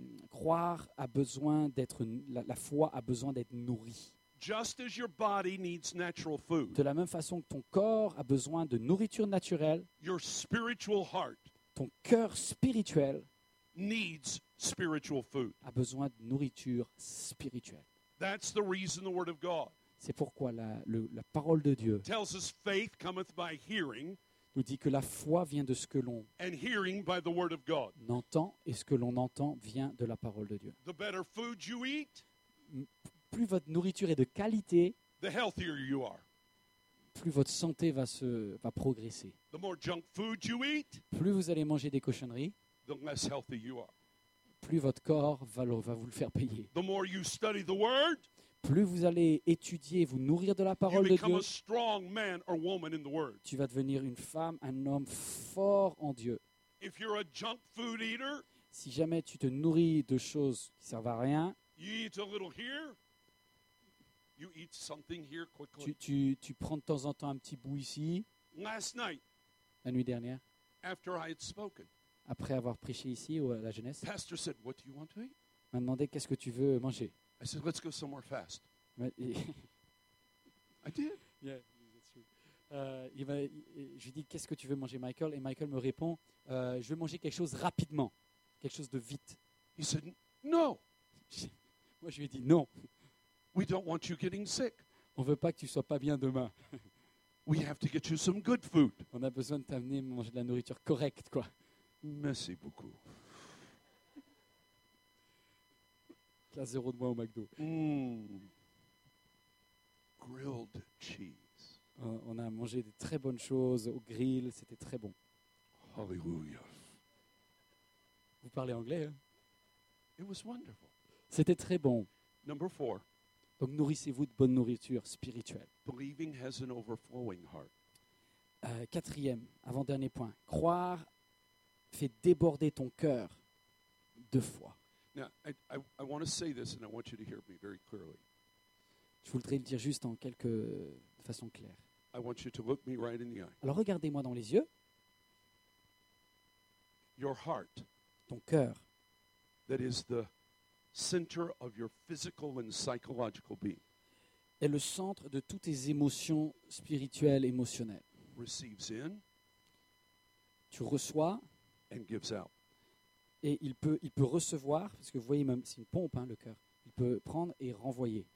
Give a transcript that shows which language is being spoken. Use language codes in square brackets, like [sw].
[fr] Croire a besoin d'être la foi a besoin d'être nourrie. [en] Just as your body needs natural food. [fr] De la même façon que ton corps a besoin de nourriture naturelle. [en] Your spiritual heart. [fr] Ton cœur spirituel [en] needs spiritual food. [fr] A besoin de nourriture spirituelle. [en] That's the reason the word of God. [fr] C'est pourquoi la parole de Dieu [en] tells us faith cometh by hearing. [fr] Nous dit que la foi vient de ce que l'on [en] and hearing by the word of God. [fr] Entend et ce que l'on entend vient de la parole de Dieu. [en] The better food you eat, [fr] plus votre nourriture est de qualité, [en] the healthier you are. [fr] Plus votre santé va progresser. [en] The more junk food you eat, [fr] plus vous allez manger des cochonneries, [en] the less healthy you are. [fr] Plus votre corps va vous le faire payer. [en] The more you study the word, [fr] plus vous allez étudier, vous nourrir de la parole [en] you [fr] de Dieu, [en] a strong man or woman in the word. [fr] Tu vas devenir une femme, un homme fort en Dieu. [en] If you're a junk food eater, [fr] si jamais tu te nourris de choses qui ne servent à rien, [en] you eat a little here, you eat something here quickly. [fr] Tu prends de temps en temps un petit bout ici. [en] Last night, [fr] la nuit dernière, [en] after I had spoken, [fr] après avoir prêché ici à la jeunesse, [en] pastor said, what do you want to eat? [fr] M'a demandé qu'est-ce que tu veux manger. [en] I said, let's go somewhere fast. I did. Yeah, that's true. [fr] Je lui dis, qu'est-ce que tu veux manger, Michael? Et Michael me répond, je veux manger quelque chose rapidement, quelque chose de vite. He said, no. Moi, je lui ai dit, non. [en] We don't want you getting sick. [fr] On ne veut pas que tu ne sois pas bien demain. [en] We have to get you some good food. [fr] On a besoin de t'amener manger de la nourriture correcte, quoi. Merci beaucoup. À zéro de moins au McDo. [en] Grilled cheese. [fr] On a mangé des très bonnes choses au grill, c'était très bon. [en] Hallelujah. [fr] Vous parlez anglais, hein? [en] It was wonderful. [fr] C'était très bon. [en] Number four. [fr] Donc nourrissez-vous de bonne nourriture spirituelle. [en] Believing has an overflowing heart. [fr] Quatrième, avant-dernier point. Croire fait déborder ton cœur de foi. [en] Now, I want to say this, and I want you to hear me very clearly. [fr] Je voudrais le dire juste en quelque façon claire. [en] I want you to look me right in the eye. [fr] Alors regardez-moi dans les yeux. [en] Your heart, [fr] ton cœur, [en] that is the center of your physical and psychological being, [fr] est le centre de toutes tes émotions spirituelles, émotionnelles. [en] Receives in, [fr] tu reçois, [en] and gives out. [fr] Et il peut recevoir, parce que vous voyez, même c'est une pompe, hein, le cœur. Il peut prendre et renvoyer.